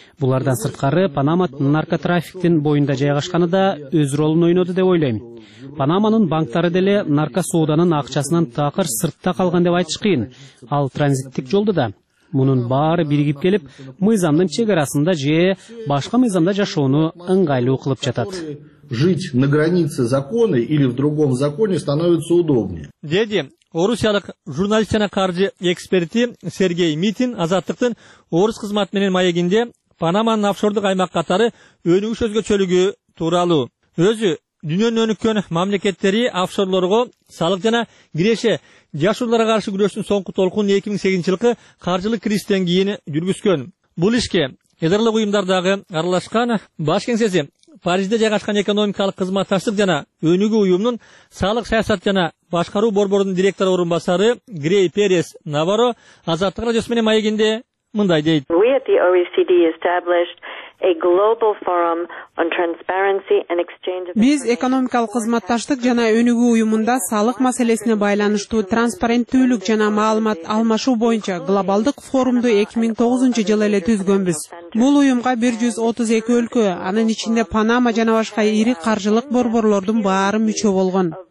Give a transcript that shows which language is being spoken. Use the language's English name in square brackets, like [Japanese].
[Kyrgyz] Булардан сырткары Панама наркотрафиктин боюнда жайгашканы да өз ролун ойноду деп ойлойм. Панаманын банктары деле наркосоуданын акчасынан такыр сыртта калган деп айтыш кыйын. Ал транзиттик жолдо да. Мунун баары биригип келип, мыйзамдын чек арасында же башка мыйзамда жашоону ыңгайлуу кылып жатат. [Russian] Жить на границе закона или в другом законе становится удобнее. [Kyrgyz] Деди орусиялык журналистена каржы эксперти Сергей Митин азаттыктын орус кызмат менен маегинде Панаманын офшордук аймак катары өнүгүш өзгөчөлүгү тууралуу. Өзү дүйнөнүн өнүккөн мамлекеттери офшорлорго салык жана киреше жашоолорго каршы күрөштүн соңку толкунун 2008 жылкы каржылык кризистен кийин жүргүзгөн. Бул ишке эл аралык уюмдар дагы аралашкан. Баш кеңсеси Парижде жайгашкан экономикалык кызматташтык жана өнүгүү уюмунун салык саясат жана башкаруу борборунун директору орун басары Грей Перес Наваро азаттык радиосу менен маегинде мындай дейт. [English] We at the OECD established a global forum on transparency and exchange of [Kyrgyz] Биз экономикалык кызматташтык жана өнүгүү уюмунда салык маселесине байланыштуу транспаренттүүлүк жана маалымат алмашуу боюнча глобалдык форумду 2009 жылы эле түзгөнбүз. Бул уюмга 132 өлкө, анын ичинде Панама жана башка ири каржылык борборлордун баары мүчө болгон.